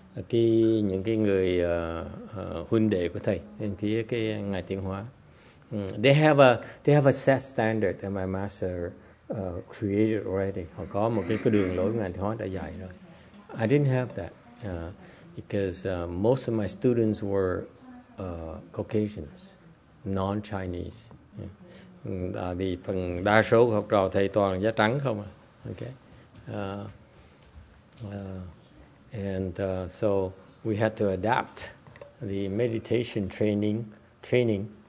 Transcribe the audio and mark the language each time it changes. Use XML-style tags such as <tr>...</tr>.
<vi>Những cái người huynh đệ của thầy, nên phía cái ngài tiếng Hoa.</vi> <en>They have a set standard that my master created already.</en> <vi>Họ có một cái đường lối ngài thì họ đã dạy rồi.</vi> <en>I didn't have that because most of my students were Caucasians, non-Chinese. Yeah.</en> <vi>Vì phần đa số học trò thầy toàn da trắng không à? Okay.</vi> <en>So we had to adapt the meditation training.</en>